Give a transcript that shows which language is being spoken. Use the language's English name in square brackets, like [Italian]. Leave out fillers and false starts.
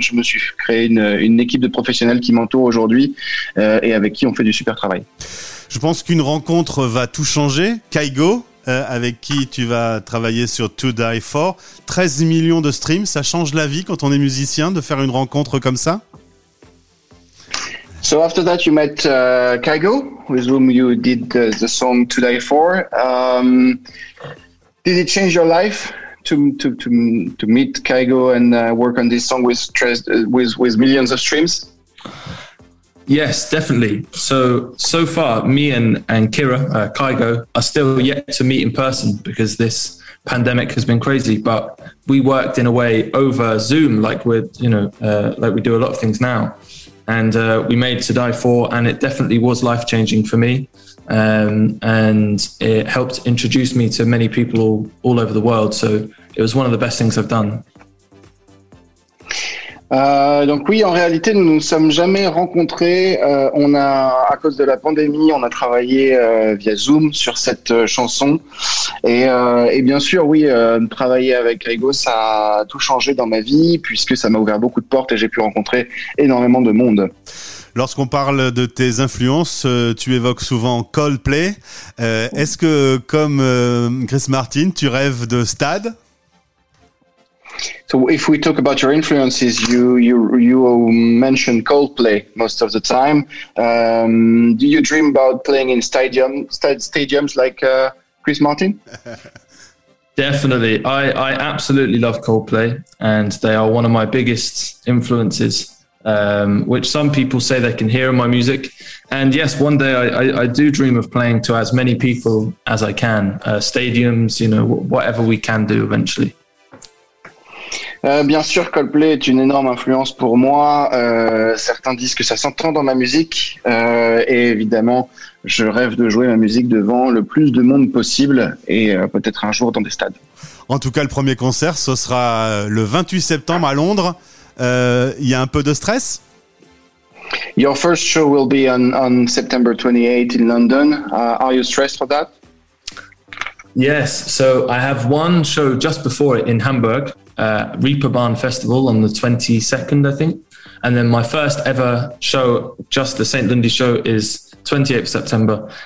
[French] Je me suis créé une équipe de professionnels qui m'entoure aujourd'hui et avec qui on fait du super travail. Je pense qu'une rencontre va tout changer. Kygo, avec qui tu vas travailler sur To Die For, 13 millions de streams, ça change la vie quand on est musicien de faire une rencontre comme ça. [English] So after that you met Kygo, with whom you did the song To Die For. Did it change your life to meet Kygo and work on this song with millions of streams? Yes, definitely. So far, me and Kira, Kygo, are still yet to meet in person because this pandemic has been crazy. But we worked in a way over Zoom, like we do a lot of things now. And we made To Die For, and it definitely was life-changing for me. And it helped introduce me to many people all over the world. So it was one of the best things I've done. [French] Donc oui, en réalité, nous ne nous sommes jamais rencontrés. On a, à cause de la pandémie, on a travaillé via Zoom sur cette chanson. Et bien sûr, oui, travailler avec Kygo, ça a tout changé dans ma vie, puisque ça m'a ouvert beaucoup de portes et j'ai pu rencontrer énormément de monde. Lorsqu'on parle de tes influences, tu évoques souvent Coldplay. Est-ce que, comme Chris Martin, tu rêves de stade ? [English] So if we talk about your influences, you mentioned Coldplay most of the time. Do you dream about playing in stadiums like Chris Martin? Definitely. I absolutely love Coldplay, and they are one of my biggest influences, which some people say they can hear in my music. And yes, one day I do dream of playing to as many people as I can, stadiums, you know, whatever we can do eventually. [French] Bien sûr, Coldplay est une énorme influence pour moi. Certains disent que ça s'entend dans ma musique. Et évidemment, je rêve de jouer ma musique devant le plus de monde possible et peut-être un jour dans des stades. En tout cas, le premier concert, ce sera le 28 septembre à Londres. Il y a un peu de stress? [English] Your first show will be on September 28 in London. Are you stressed for that? Yes, so I have one show just before it in Hamburg. Reeperbahn Festival on the 22nd, I think. And then my first ever show, just the St. Lundy show, is 28th September.